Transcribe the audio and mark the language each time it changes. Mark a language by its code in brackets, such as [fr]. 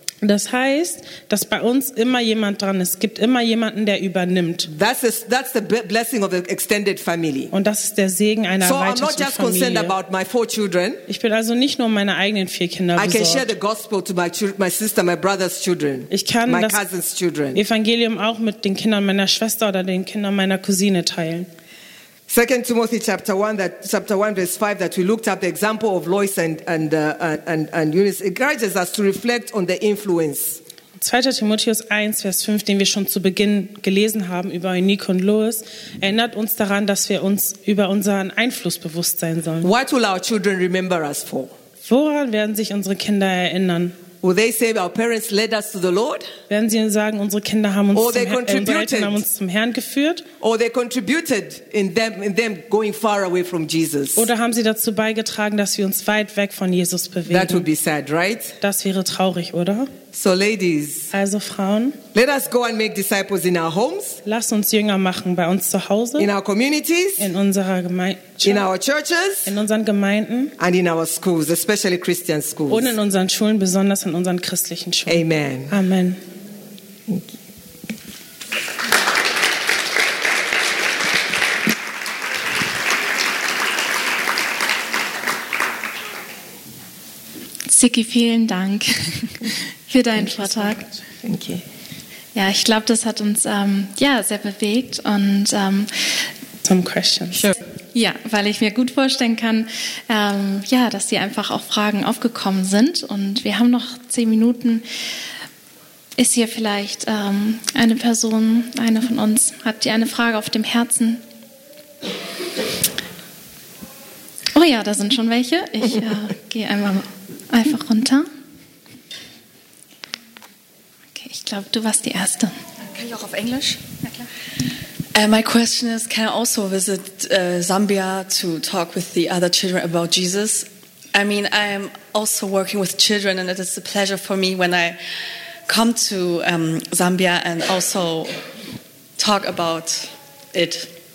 [de] Das heißt, dass bei uns immer jemand dran ist. Es gibt immer jemanden, der übernimmt. [en] That's the blessing of the extended family. [de] Und das ist der Segen einer so erweiterten [en] I'm not just [de] Familie. [en] Concerned about my four children. [de] Ich bin also nicht nur um meine eigenen vier Kinder besorgt. [en] I can share the gospel to my sister, my brother's children, [de] ich kann [en] my das cousin's children. [de] Evangelium auch mit den Kindern meiner Schwester oder den Kindern meiner Cousine teilen. [en] 2 Timothy chapter 1, verse 5, that we looked at the example of Lois and Eunice, encourages us to reflect on the influence. [de] 2. Timotheus 1, Vers 5, den wir schon zu Beginn gelesen haben über Eunice und Lois, erinnert uns daran, dass wir uns über unseren Einfluss bewusst sein sollen. [en] What will our children remember us for? [de] Woran werden sich unsere Kinder erinnern? [en] Will they say our parents led us to the Lord? [de] Werden sie sagen, unsere Kinder haben uns, zum Herrn geführt? [en] Or they contributed in them going far away from Jesus? [de] Oder haben sie dazu beigetragen, dass wir uns weit weg von Jesus bewegen? [en] That would be sad, right? [de] Das wäre traurig, oder? [en] So ladies, [de] also Frauen, [en] let us go and make disciples in our homes. [de] Lass uns Jünger machen bei uns zu Hause. [en] In our communities, [de] in unserer Gemeinschaft. [en] In our churches, [de] in unseren Gemeinden. [en] And in our schools, especially Christian schools. [de] Und in unseren Schulen, besonders in unseren christlichen Schulen. [en] Amen. [de] Amen. Siki, vielen Dank für deinen Vortrag. Danke. Ja, ich glaube, das hat uns sehr bewegt und [en] some questions. Sure. [de] Ja, weil ich mir gut vorstellen kann, dass hier einfach auch Fragen aufgekommen sind und wir haben noch 10 Minuten. Ist hier vielleicht eine Person, eine von uns, hat die eine Frage auf dem Herzen? Oh ja, da sind schon welche. Ich gehe einfach runter. Okay, ich glaube, du warst die Erste. Kann ich auch auf Englisch? Ja, klar. [en] My question is, can I also visit Zambia to talk with the other children about Jesus? I mean, I am also working with children and it is a pleasure for me when I come to Zambia and also talk about it.